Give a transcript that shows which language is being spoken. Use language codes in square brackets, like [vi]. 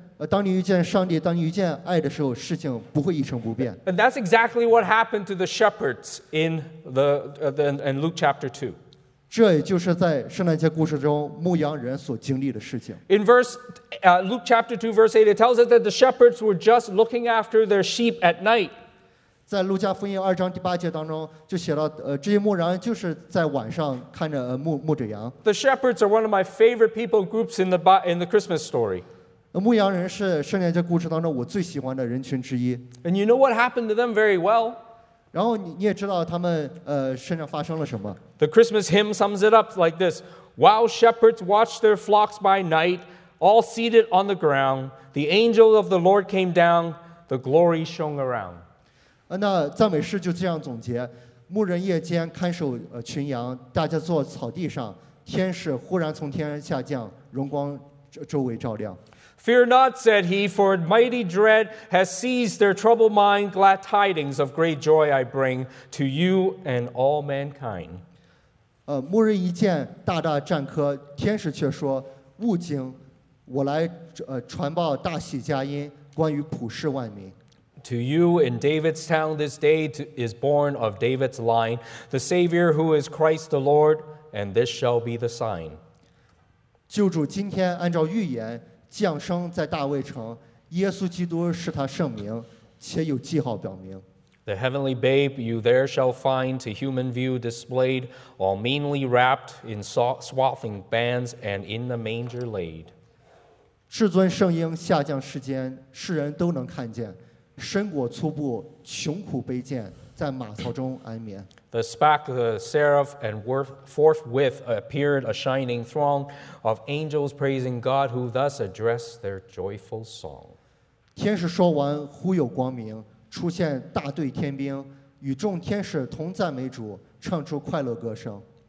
[zh] 当你遇见上帝，当你遇见爱的时候，事情不会一成不变。 [en] And that's exactly what happened to the shepherds in Luke chapter 2. [zh] 这也就是在圣诞节故事中牧羊人所经历的事情。 [en] In Luke chapter 2, verse 8, it tells us that the shepherds were just looking after their sheep at night. [zh] 在路加福音二章第八节当中就写到这些牧人就是在晚上看着牧着羊。 [en] The shepherds are one of my favorite people groups in the Christmas story. [zh] 牧羊人是圣殿这故事当中我最喜欢的人群之一。 [en] And you know what happened to them very well. [zh] 然后你也知道他们身上发生了什么。 [en] The Christmas hymn sums it up like this. While shepherds watched their flocks by night, all seated on the ground, the angel of the Lord came down, the glory shone around. [zh] 那赞美诗就这样总结，牧人夜间看守群羊，大家坐草地上，天使忽然从天上下降，荣光周围照亮。 [en] Fear not, said he, for mighty dread has seized their troubled mind. Glad tidings of great joy I bring to you and all mankind. [zh] 牧人一见大大战科，天使却说，勿惊，我来传报大喜佳音，关于普世万民。 [en] To you in David's town this day is born of David's line, the Savior who is Christ the Lord, and this shall be the sign. [zh] 救主今天按照预言降生在大卫城，耶稣基督是他圣名，且有记号表明。 [en] The heavenly babe you there shall find to human view displayed, all meanly wrapped in swathing bands and in the manger laid. [zh] 至尊圣婴下降世间，世人都能看见，身裹粗布，穷苦卑贱，在马槽中安眠。 [en] The spark, the seraph, and forthwith appeared a shining throng of angels praising God, who thus addressed their joyful song. [zh] 天使说完，忽有光明，出现大队天兵，与众天使同赞美主，唱出快乐歌声。